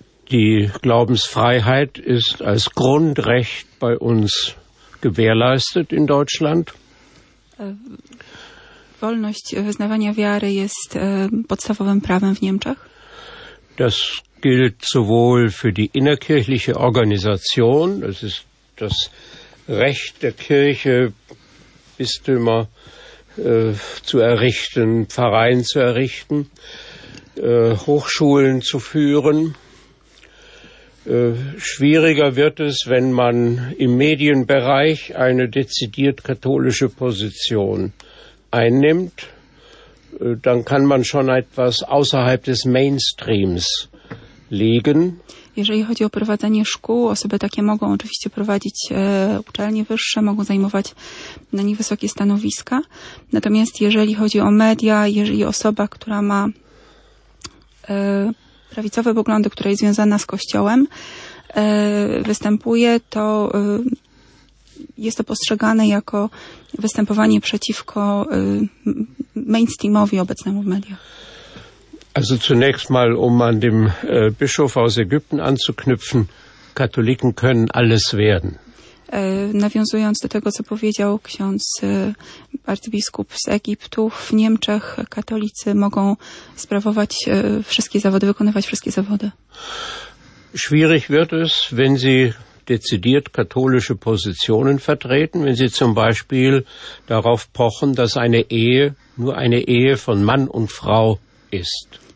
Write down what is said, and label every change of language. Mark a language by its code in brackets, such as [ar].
[de] Die Glaubensfreiheit ist als Grundrecht bei uns gewährleistet in Deutschland. [pl] Wolność wyznawania wiary jest podstawowym prawem w Niemczech. [de] Das gilt sowohl für die innerkirchliche Organisation, das ist das Recht der Kirche, Bistümer zu errichten, Pfarreien zu errichten, Hochschulen zu führen. Schwieriger wird es, wenn man im Medienbereich eine dezidiert katholische Position einnimmt, dann kann man schon etwas außerhalb des Mainstreams liegen. [pl] Jeżeli chodzi o prowadzenie szkół, osoby takie mogą oczywiście prowadzić uczelnie wyższe, mogą zajmować na nich wysokie stanowiska. Natomiast jeżeli chodzi o media, jeżeli osoba, która ma prawicowe poglądy, która jest związana z Kościołem, występuje, to jest to postrzegane jako występowanie przeciwko mainstreamowi obecnemu w mediach. [de] Also zunächst mal, um an dem Bischof aus Ägypten anzuknüpfen, Katholiken können alles werden. [pl] Nawiązując do tego, co powiedział ksiądz arcybiskup z Egiptu, w Niemczech katolicy mogą sprawować wszystkie zawody, wykonywać wszystkie zawody. [de] Schwierig wird es, wenn sie dezidiert katholische Positionen vertreten, wenn sie zum Beispiel darauf pochen, dass eine Ehe nur eine Ehe von Mann und Frau ist.